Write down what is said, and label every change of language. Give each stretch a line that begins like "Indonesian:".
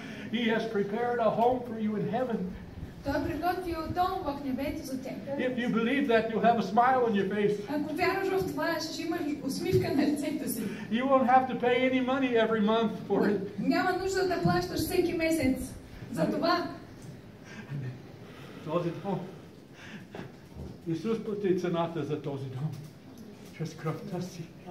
English: He has prepared a home for you in heaven.
Bulgarian: Той приготвил дом в небето за теб.
English: If you believe that, you'll have a smile on your face.
Bulgarian: Ако вярваш в това, ще имаш усмивка на лицето си.
English: You won't have to pay any money every month for it.
Bulgarian: Няма нужда да плащаш всеки месец за това. Този дом. Исус плати цената за този дом. Чрез кръвта си.